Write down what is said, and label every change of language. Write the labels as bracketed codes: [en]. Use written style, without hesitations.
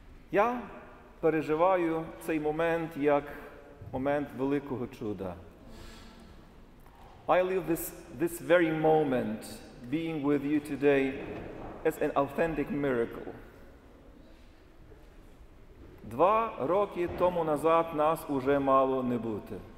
[uk] Я переживаю цей момент як момент великого чуда. [en] I live this very moment being with you today as an authentic miracle. [uk] 2 роки тому назад нас уже мало не бути.